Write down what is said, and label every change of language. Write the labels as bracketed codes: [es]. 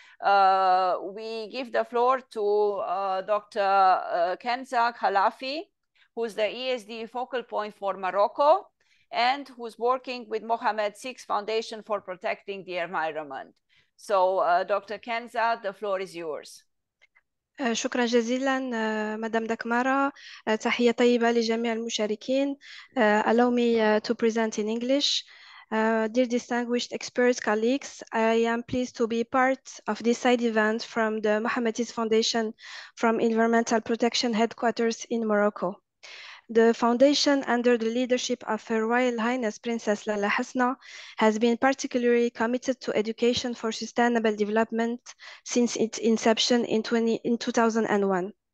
[en] We give the floor to Dr. Kenza Khalafi, who's the ESD focal point for Morocco and who's working with Mohammed VI Foundation for Protecting the Environment. So Dr. Kenza, the floor is yours. [ar] شكرا جزيلا مدام دكمارا تحية طيبة لجميع المشاركين. [en] Allow me to present in English. Dear distinguished experts, colleagues, I am pleased to be part of this side event from the Mohammed VI Foundation from Environmental Protection Headquarters in Morocco. The foundation, under the leadership of Her Royal Highness Princess Lala Hasna, has been particularly committed to education for sustainable development since its inception in 2001.